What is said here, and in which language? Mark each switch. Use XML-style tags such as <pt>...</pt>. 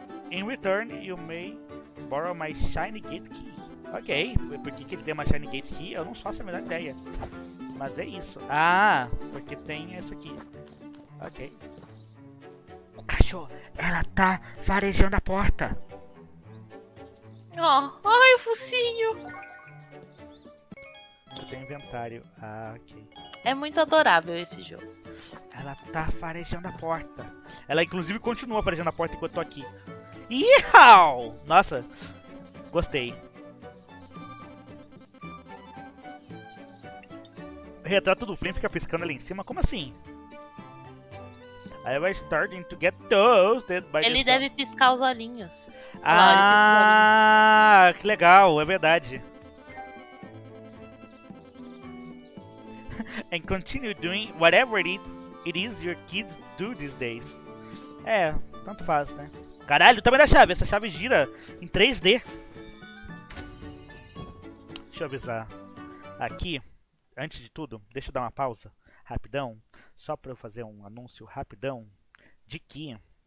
<en>In return, you may borrow my shiny gate key.</en> <pt>Ok, por que ele tem uma</pt> <en>shiny gate key?</en> <pt>Eu não faço a melhor ideia. Mas é isso. Ah, porque tem essa aqui. Ok. O cachorro, ela tá farejando a porta. Ó, oh, ai, o focinho. Eu tenho inventário. Ah, ok. É muito adorável esse jogo. Ela tá farejando a porta. Ela, inclusive, continua farejando a porta enquanto eu tô aqui. Ihau! Nossa, gostei. O retrato do Flynn fica piscando ali em cima. Como assim?</pt> <en>I was starting to get toasted by the sun.</en> <pt>Ele deve piscar os olhinhos. Ah, que legal, é verdade.</pt> <en>And continue doing whatever it is your kids do these days.</en> <pt>É, tanto faz, né? Caralho, o tamanho da chave, essa chave gira em 3D. Deixa eu avisar. Aqui, antes de tudo, deixa eu dar uma pausa, rapidão. Só pra eu fazer um anúncio rapidão, de que...</pt>